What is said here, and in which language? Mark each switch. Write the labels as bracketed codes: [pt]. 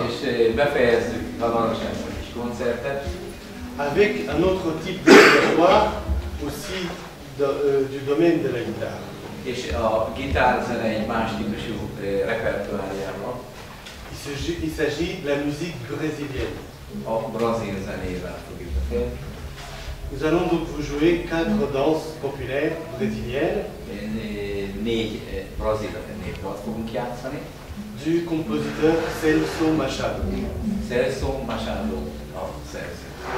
[hu] És befejezzük a valóságban is koncertet. [fr] Avec un autre type de répertoire aussi du domaine de la guitare. [hu] És a gitárzene egy más típusú repertoáriával. [fr] Il s'agit de la musique brésilienne. [hu] A brazil zenével fogjuk befejezni. [fr] Nous allons donc vous jouer quatre danses populaires brésiliennes. [hu] Négy brazil népdalt fogunk játszani. [fr] Du compositeur Celso Machado. [hu] Celso Machado, a szerző.